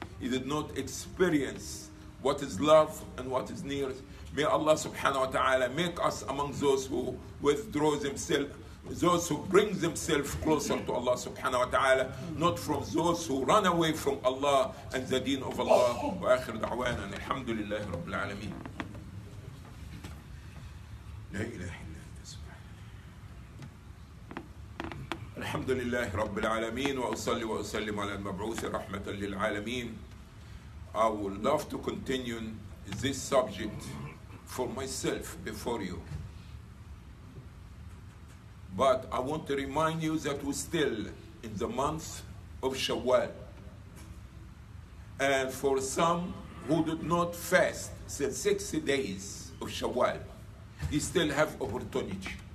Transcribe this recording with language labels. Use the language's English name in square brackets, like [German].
[English] He did not experience what is love and what is near. May Allah subhanahu wa ta'ala make us among those who withdraw themselves, those who bring themselves closer to Allah subhanahu wa ta'ala, not from those who run away from Allah and the deen of Allah. [Arabic] Wa akhir da'wana alhamdulillahi rabbil alameen. La ilaha الحمد لله رب العالمين وأصلي وأسلم على المبعوث رحمة للعالمين. [English] I would love to continue this subject for myself before you. But I want to remind you that we're still in the month of Shawwal. And for some who did not fast since 60 days of Shawwal, you still have opportunity.